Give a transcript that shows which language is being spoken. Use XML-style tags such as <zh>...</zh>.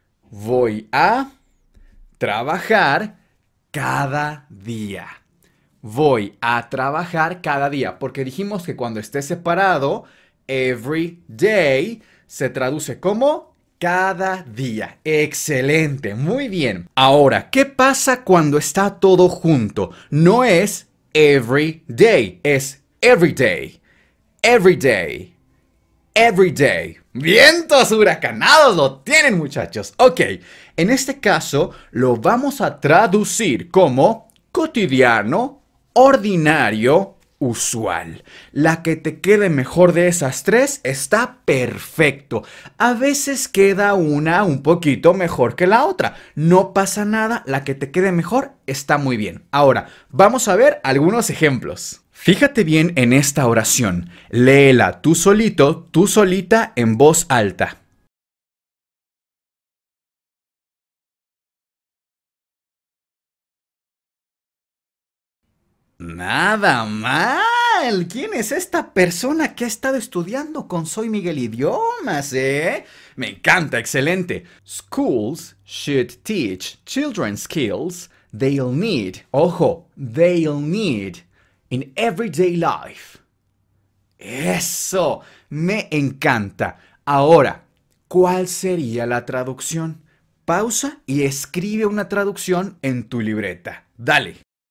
<es>Voy a trabajar cada día. Voy a trabajar cada día. Porque dijimos que cuando esté separado, every day se traduce como cada día. ¡Excelente! Muy bien. Ahora, ¿qué pasa cuando está todo junto? No es every day, es every day.</es> <en>Every day. Every day.</en> <es>¡Vientos huracanados lo tienen, muchachos! Ok, en este caso lo vamos a traducir como cotidiano, ordinario, usual. La que te quede mejor de esas tres está perfecto. A veces queda una un poquito mejor que la otra. No pasa nada, la que te quede mejor está muy bien. Ahora, vamos a ver algunos ejemplos. Fíjate bien en esta oración. Léela tú solito, tú solita, en voz alta. ¡Nada mal! ¿Quién es esta persona que ha estado estudiando con Soy Miguel Idiomas, eh? ¡Me encanta! ¡Excelente!</es> <en>Schools should teach children skills they'll need.</en> <es>¡Ojo!</es> <en>They'll need in everyday life.</en> <es>¡Eso! ¡Me encanta! Ahora, ¿cuál sería la traducción? Pausa y escribe una traducción en tu libreta. ¡Dale!</es>